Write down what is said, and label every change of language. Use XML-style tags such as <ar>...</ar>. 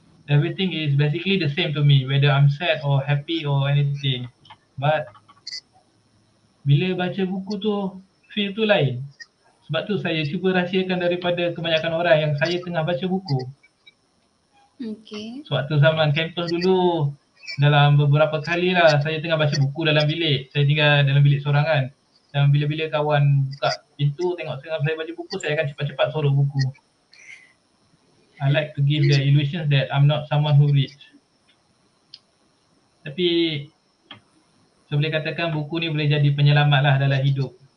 <en>Everything is basically the same to me, whether I'm sad or happy or anything.</en> <ms>But bila baca buku tu, feel tu lain. Sebab tu saya cuba rahsiakan daripada kebanyakan orang yang saya tengah baca buku. Okay. Suatu zaman kampus dulu, dalam beberapa kali lah saya tengah baca buku dalam bilik. Saya tinggal dalam bilik seorang kan. Dan bila-bila kawan buka pintu tengok tengah saya baca buku, saya akan cepat-cepat sorok buku.</ms> <en>I like to give the illusion that I'm not someone who reads.</en> <ms>Tapi saya boleh katakan buku ni boleh jadi penyelamat lah dalam hidup.</ms>